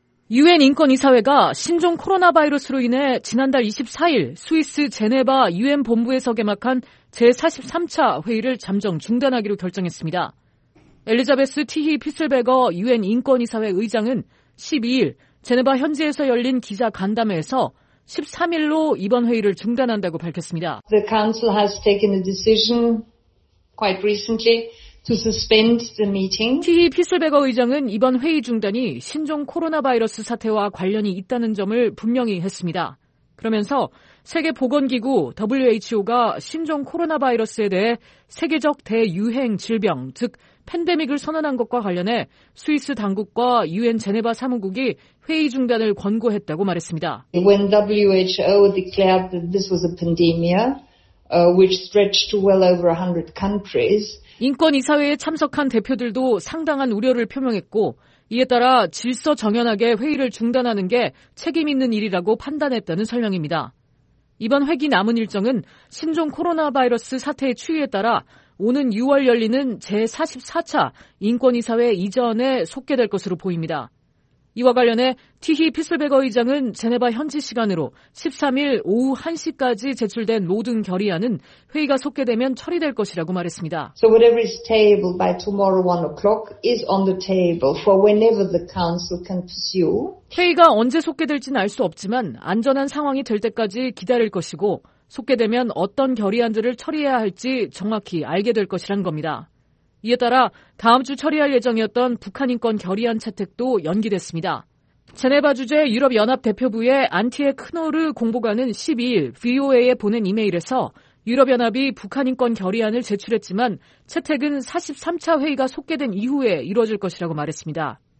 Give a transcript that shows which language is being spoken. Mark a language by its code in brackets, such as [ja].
[ko] 유엔 인권이사회가 신종 코로나 바이러스로 인해 지난달 24일 스위스 제네바 유엔 본부에서 개막한 제43차 회의를 잠정 중단하기로 결정했습니다. 엘리자베스 티히 피슬베거 유엔 인권이사회 의장은 12일 제네바 현지에서 열린 기자 간담회에서 13일로 이번 회의를 중단한다고 밝혔습니다. [en] The council has taken a decision quite recently to suspend the meeting. [ko] 티히 피슬베거 의장은 이번 회의 중단이 신종 코로나 바이러스 사태와 관련이 있다는 점을 분명히 했습니다. 그러면서 세계보건기구 WHO가 신종 코로나 바이러스에 대해 세계적 대유행 질병, 즉 팬데믹을 선언한 것과 관련해 스위스 당국과 유엔 제네바 사무국이 회의 중단을 권고했다고 말했습니다. [en] When WHO declared that this was a pandemic, which stretched to well over 100 countries. [ko] 인권이사회에 참석한 대표들도 상당한 우려를 표명했고 이에 따라 질서 정연하게 회의를 중단하는 게 책임 있는 일이라고 판단했다는 설명입니다. 이번 회기 남은 일정은 신종 코로나 바이러스 사태의 추이에 따라 오는 6월 열리는 제44차 인권이사회 이전에 속게 될 것으로 보입니다. 이와 관련해 티히 피슬베거 의장은 제네바 현지 시간으로 13일 오후 1시까지 제출된 모든 결의안은 회의가 속게 되면 처리될 것이라고 말했습니다. [en] So whatever is tabled by tomorrow 1 o'clock is on the table for whenever the council can pursue. [ko] 회의가 언제 속게 될지는 알 수 없지만 안전한 상황이 될 때까지 기다릴 것이고 속게 되면 어떤 결의안들을 처리해야 할지 정확히 알게 될 것이란 겁니다. 이에 따라 다음 주 처리할 예정이었던 북한인권 결의안 채택도 연기됐습니다. 제네바 주재 유럽연합대표부의 안티에 크노르 공보관은 12일 VOA에 보낸 이메일에서 유럽연합이 북한인권 결의안을 제출했지만 채택은 43차 회의가 속게 된 이후에 이뤄질 것이라고 말했습니다.